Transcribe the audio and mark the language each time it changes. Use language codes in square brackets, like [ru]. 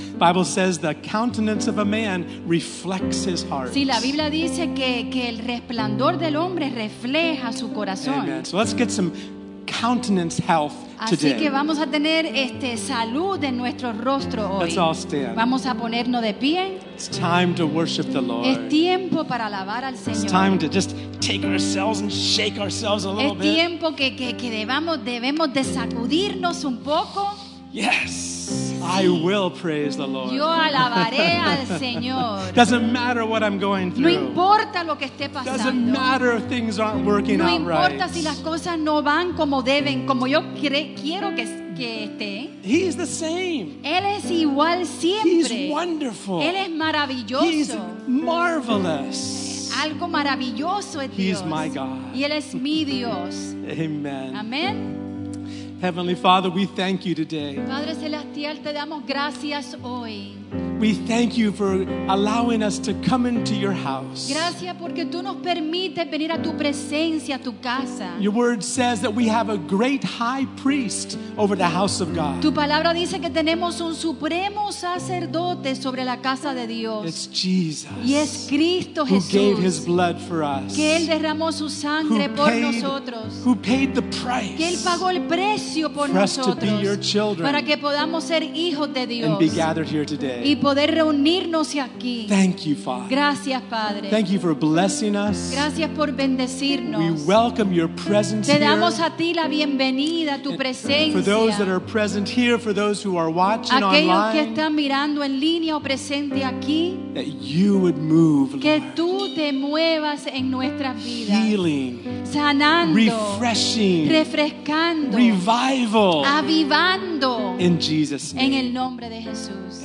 [en] Bible says the countenance of a man reflects his heart. [es] Sí, la Biblia dice que el resplandor del hombre refleja su corazón. [en] Amen. So let's get some countenance health today. [es] Así que vamos a tener salud en nuestro rostro hoy. [en] Let's all stand. [es] Vamos a ponernos de pie. [en] It's time to worship the Lord. [es] Es tiempo para alabar al Señor. [en] It's time to just take ourselves and shake ourselves a little bit. [es] Es tiempo que debemos de sacudirnos un poco. [en] Yes. I will praise the Lord. [es] Yo alabaré al Señor. [en] Doesn't matter what I'm going through. [es] No importa lo que esté pasando. [en] Doesn't matter if things aren't working out right. [es] No importa si las cosas no van como deben, como yo quiero que esté. [en] He is the same. [es] Él es igual siempre. [en] He's wonderful. [es] Él es maravilloso. [en] He's marvelous. [es] Algo maravilloso es Dios. [en] He's my God. [es] Y él es mi Dios. [en] Amen. [es] Amen. [en] Heavenly Father, we thank you today. [es] Padre celestial, te damos gracias hoy. [en] We thank you for allowing us to come into your house. [es] Gracias porque tú nos permites venir a tu presencia, a tu casa. [en] Your word says that we have a great high priest over the house of God. [es] Tu palabra dice que tenemos un supremo sacerdote sobre la casa de Dios. [en] It's Jesus. [es] Y es Cristo [en] who [es] Jesús. [en] Who gave his blood for us. [es] Que él derramó su sangre [en] who [es] por [en] paid, [es] nosotros. [en] Who paid the price. [es] Que él pagó el precio por [en] for [es] nosotros. [en] For us to be your children. [es] Para que podamos ser hijos de Dios. [en] And be gathered here today. [es] Y poder reunirnos aquí. [en] Thank you, Father. [es] Gracias, Padre. [en] Thank you for blessing us. [es] Gracias por bendecirnos. [en] We welcome your presence here. [es] Te damos a ti la bienvenida, tu presencia. [en] For those that are present here, for those who are watching online. [es] Aquellos que están mirando en línea o presente aquí. [en] That you would move, Lord. [es] Que tú te muevas en nuestras vidas. [en] Healing. [es] Sanando. [en] Refreshing. [es] Refrescando. [en] Revival. [es] Avivando. [en] In Jesus' name. [es] En el nombre de Jesús.